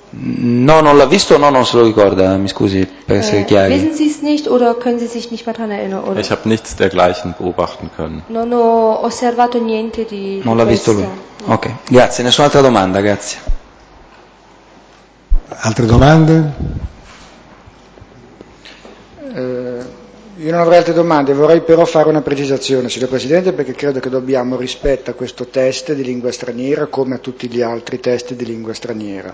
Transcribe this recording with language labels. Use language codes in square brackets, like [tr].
[it] No, non l'ha visto, no, non se lo ricorda, mi scusi, per essere chiari. [de] Wissen Sie es nicht oder können Sie sich nicht mehr daran erinnern? Oder? Ich habe nichts dergleichen beobachten können. [it] Non ho osservato niente di questo. Non l'ha visto lui. No. Ok, grazie. Nessun'altra domanda, grazie. Altre domande? Io non avrei altre domande, vorrei però fare una precisazione, signor Presidente, perché credo che dobbiamo rispetto a questo test di lingua straniera come a tutti gli altri test di lingua straniera.